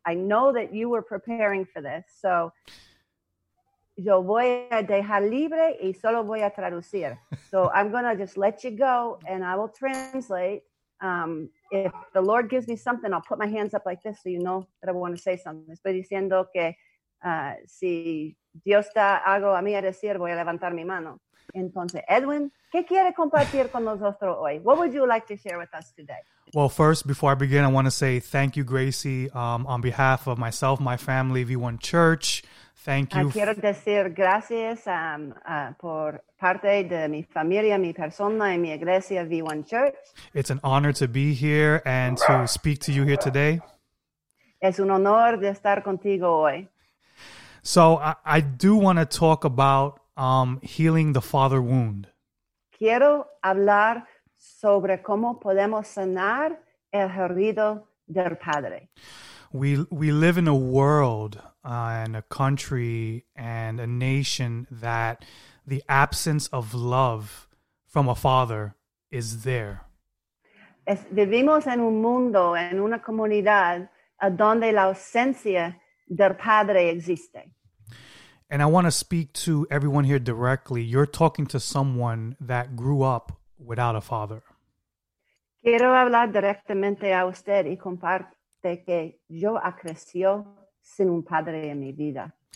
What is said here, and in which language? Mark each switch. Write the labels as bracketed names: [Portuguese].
[English] I know that you were preparing for this. [Spanish] So, yo voy a dejar libre y solo voy a traducir. [English] So, I'm going to just let you go and I will translate. If the Lord gives me something, I'll put my hands up like this so you know that I want to say something. [Spanish] Estoy diciendo que si Dios da algo a mí a decir, voy a levantar mi mano. Entonces, Edwin, ¿qué quiere compartir con nosotros hoy? [English] What would you like to share with us today? Well, first, before I begin, I want to say thank you, Gracie, on behalf of myself, my family, V1 Church. Thank you. [Spanish] Quiero decir gracias por parte de mi familia, mi persona y mi iglesia, V1 Church. [English] It's an honor to be here and to speak to you here today. [Spanish] Es un honor de estar contigo hoy. [English] So I do want to talk about healing the father wound. [Spanish] Quiero hablar sobre cómo podemos sanar el herido del padre. [English] We live in a world and a country and a nation that the absence of love from a father is there. [Spanish] Vivimos en un mundo, en una comunidad, donde la ausencia del padre existe. [English] And I want to speak to everyone here directly. You're talking to someone that grew up without a father. [Spanish] Quiero hablar directamente a usted y comparte que yo ha crecido sin un padre en mi vida.